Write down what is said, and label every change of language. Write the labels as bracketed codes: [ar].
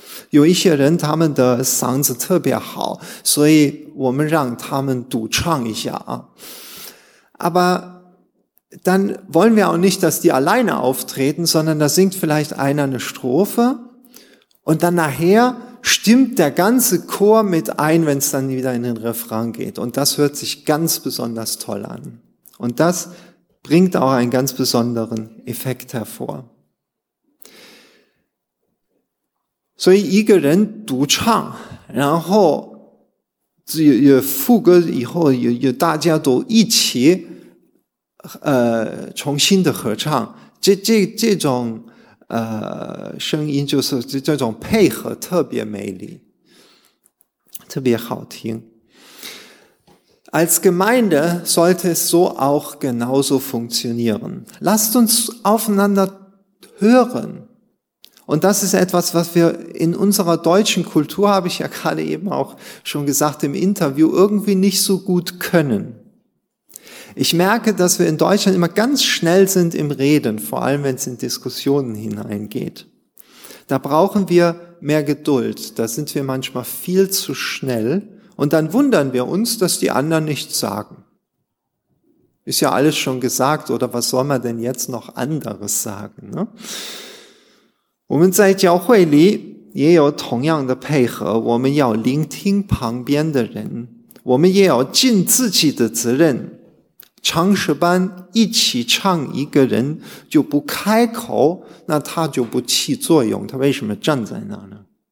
[zh] 有一些人他们的嗓子特别好，所以我们让他们独唱一下啊。 [de] Aber dann wollen wir auch nicht, dass die alleine auftreten, sondern da singt vielleicht einer eine Strophe und dann nachher stimmt der ganze Chor mit ein, wenn es dann wieder in den Refrain geht. Und das hört sich ganz besonders toll an. Und das bringt auch einen ganz besonderen Effekt hervor. [zh] So, 一个人独唱，然后有副歌以后，有大家都一起重新的合唱，这种声音就是这种配合特别美丽，特别好听。 [de] Als Gemeinde sollte es so auch genauso funktionieren. Lasst uns aufeinander hören. Und das ist etwas, was wir in unserer deutschen Kultur, habe ich ja gerade eben auch schon gesagt im Interview, irgendwie nicht so gut können. Ich merke, dass wir in Deutschland immer ganz schnell sind im Reden, vor allem wenn es in Diskussionen hineingeht. Da brauchen wir mehr Geduld, da sind wir manchmal viel zu schnell und dann wundern wir uns, dass die anderen nichts sagen. Ist ja alles schon gesagt, oder was soll man denn jetzt noch anderes sagen? Ne? [zh] 我们在教会里也有同样的配合，我们要聆听旁边的人，我们也要尽自己的责任。唱诗班一起唱，一个人就不开口，那他就不起作用，他为什么站在那呢？